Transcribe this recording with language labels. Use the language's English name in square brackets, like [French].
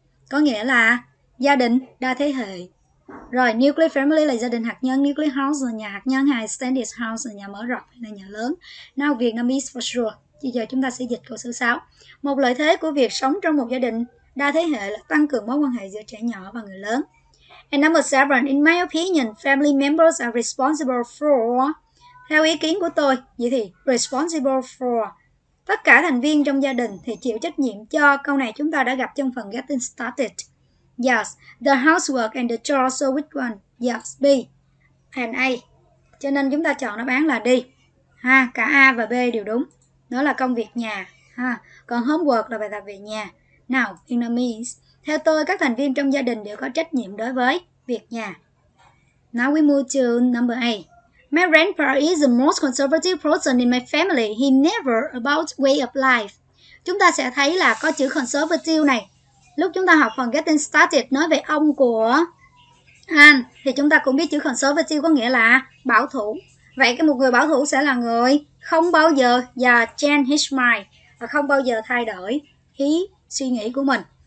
[Vietnamese] Có nghĩa là gia đình đa thế hệ. Rồi, nuclear family là gia đình hạt nhân, nuclear house là nhà hạt nhân, hay extended house là nhà mở rộng, là nhà lớn. [English] Now, Vietnamese for sure. [Vietnamese] Bây giờ chúng ta sẽ dịch câu số 6. Một lợi thế của việc sống trong một gia đình đa thế hệ là tăng cường mối quan hệ giữa trẻ nhỏ và người lớn. [English] And number 7, in my opinion, family members are responsible for. [Vietnamese] Theo ý kiến của tôi, vậy thì responsible for. Tất cả thành viên trong gia đình thì chịu trách nhiệm cho. Câu này chúng ta đã gặp trong phần getting started. [English] Yes, the housework and the chores, so which one? Yes, B and A. [Vietnamese] Cho nên chúng ta chọn đáp án là D. Ha, cả A và B đều đúng. Đó là công việc nhà, ha. Còn homework là bài tập về nhà. [English] Now, Vietnamese. [Vietnamese] Theo tôi, các thành viên trong gia đình đều có trách nhiệm đối với việc nhà. [English] Now we move to number A. My grandpa is the most conservative person in my family. He never about way of life. [Vietnamese] Chúng ta sẽ thấy là có chữ conservative này. Lúc chúng ta học phần getting started nói về ông của anh, thì chúng ta cũng biết chữ conservative có nghĩa là bảo thủ. Vậy cái một người bảo thủ sẽ là người không bao giờ [English] change his mind, [Vietnamese] và không bao giờ thay đổi ý suy nghĩ của mình.